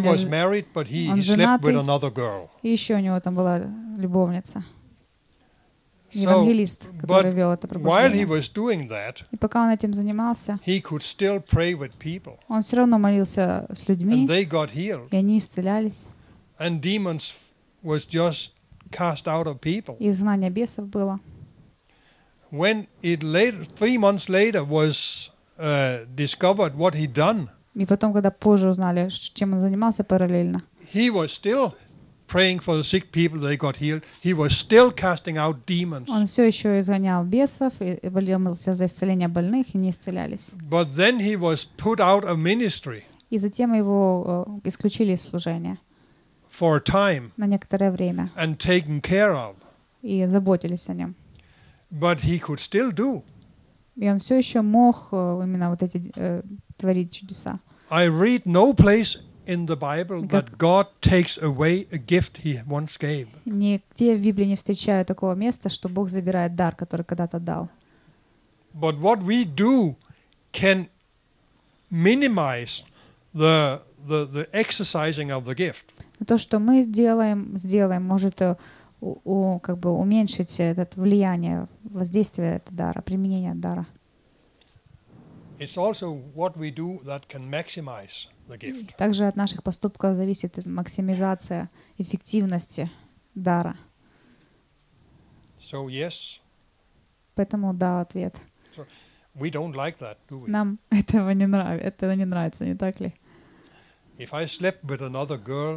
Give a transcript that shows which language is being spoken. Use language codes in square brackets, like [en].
[en] He was married, but he slept with another girl. [ru] И еще у него там была любовница. Евангелист, который вел это пробуждение. [en] While he was doing that, [ru] и пока он этим занимался, [en] he could still pray with people. [ru] Он все равно молился с людьми. [en] And they got healed. [ru] И они исцелялись. [en] And demons was just cast out of people. [ru] И изгнание бесов было. [en] When it later, 3 months later, was discovered what he'd done. [ru] И потом, когда позже узнали, чем он занимался параллельно. [en] He was still praying for the sick people, they got healed. He was still casting out demons. [ru] Он все еще изгонял бесов и молился за исцеление больных, и не исцелялись. [en] But then he was put out of ministry. [ru] И затем его исключили из служения. [en] For a time. [ru] На некоторое время. [en] And taken care of. [ru] И заботились о нем. [en] But he could still do. [ru] И он все еще мог именно вот эти творить чудеса. [en] I read no place in the Bible that God takes away a gift he once gave. [ru] Нигде в Библии не встречаю такого места, что Бог забирает дар, который когда-то дал. [en] But what we do can minimize the exercising of the gift. [ru] То, что мы сделаем, может как бы уменьшить это влияние, воздействие этого дара, применение дара. [en] It's also what we do that can maximize the gift. [ru] Также от наших поступков зависит максимизация эффективности дара. [en] So yes. [ru] Поэтому да, ответ. [en] So we don't like that, do we? [ru] Нам этого не нравится, это не нравится, не так ли? [en] If I slept with another girl,